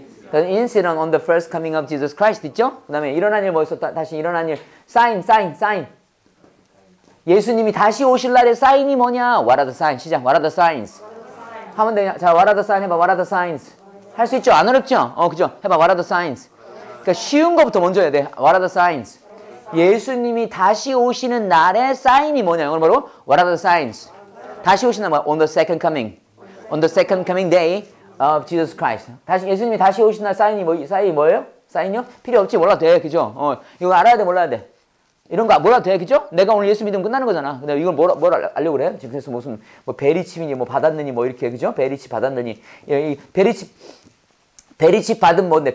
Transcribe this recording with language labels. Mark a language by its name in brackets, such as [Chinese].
[English] The incident on the first coming of Jesus Christ. [Korean] 있죠? 그 다음에 일어난 일 뭐 있어? 다시 일어난 일. Sign. 예수님이 다시 오실 날의 사인이 뭐냐? [English] What are the signs? [Korean] 시작. [English] What are the signs? [Korean] 하면 되냐? 자, [English] what are the signs? [Korean] 해봐. [English] What are the signs? [Korean] 할 수 있죠? 안 어렵죠? 그죠? 해봐. [English] What are the signs? [Korean] 그러니까 쉬운 것부터 먼저 해야 돼. [English] What are the signs? [Korean] 예수님이 다시 오시는 날의 사인이 뭐냐? 이걸 바로 [English] What are the signs? [Korean] 다시 오시는 날 뭐야? [English] On the second coming. On the second coming day of Jesus Christ. [Korean] 다시 예수님이 다시 오신 날 사인이 뭐예요? 사인이요? 필요 없지 몰라도 돼, 그죠? 이거 알아야 돼, 몰라야 돼. 이런 거 몰라도 돼, 그죠? 내가 오늘 예수 믿으면 끝나는 거잖아. 근데 이걸 뭘 알려고 그래? 지금 그래서 무슨 뭐 베리칩이니 뭐 받았느니 뭐 이렇게, 그죠? 베리칩 받았느니 이 베리칩 받은 뭔데?